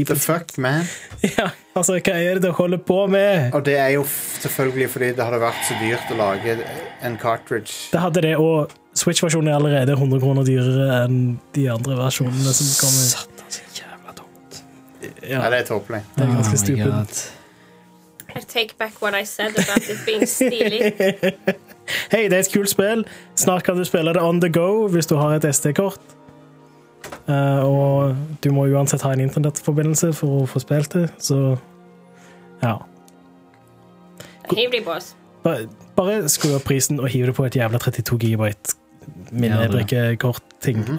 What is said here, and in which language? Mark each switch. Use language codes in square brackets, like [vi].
[en] The fuck, man? [no] Ja, altså, hva er det du holder på med? Og det er jo selvfølgelig fordi det hadde vært så dyrt å lage en cartridge. Det hadde det, og Switch-versjonen er allerede 100 kroner dyrere enn de andre versjonene som kommer. Satt. Ja. Nei, det er tåpelig. Det er ganske stupid. [en] I take back what I said about it being stilig. [no] Hei, det er et kult spill. Snart kan du spille det [en] on the go [no] hvis du har et SD-kort. Og du må uansett ha en internettforbindelse for å få spilt det. Så, ja. Hiv det på oss. Bare skru opp prisen og hiv det på et jævla 32 GB minnebrikkekort-ting. Mm-hmm.